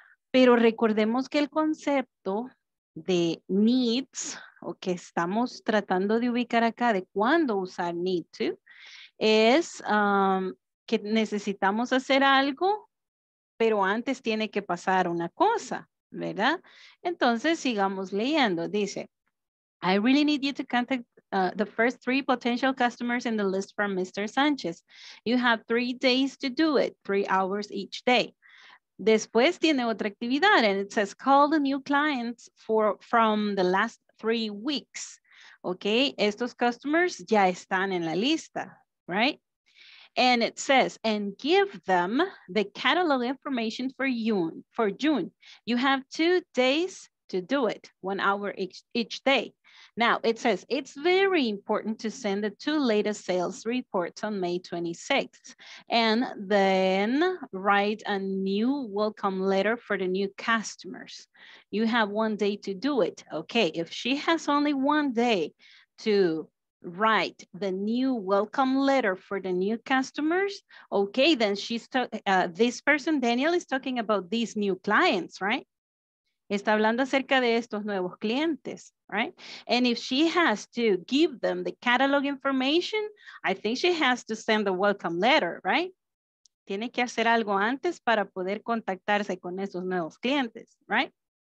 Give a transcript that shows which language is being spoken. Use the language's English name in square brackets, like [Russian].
[Spanish] Pero recordemos que el concepto de needs, o que estamos tratando de ubicar acá, de cuándo usar need to, es que necesitamos hacer algo, pero antes tiene que pasar una cosa, ¿verdad? Entonces, sigamos leyendo. Dice, [English] I really need you to contact the first three potential customers in the list from Mr. Sanchez. You have 3 days to do it, 3 hours each day. [Spanish] Después tiene otra actividad, [English] and it says, call the new clients from the last 3 weeks. [Spanish] Okay, estos customers ya están en la lista, right? [English] And it says, and give them the catalog information for June. You have 2 days to do it, 1 hour each day. Now it says, it's very important to send the 2 latest sales reports on May 26th and then write a new welcome letter for the new customers. You have 1 day to do it. Okay, if she has only 1 day to write the new welcome letter for the new customers, okay, then she's this person, Daniel, is talking about these new clients, right? [Spanish] Está hablando acerca de estos nuevos clientes, right? [English] And if she has to give them the catalog information, I think she has to send the welcome letter, right? [Spanish] Tiene que hacer algo antes para poder contactarse con esos nuevos clientes, right?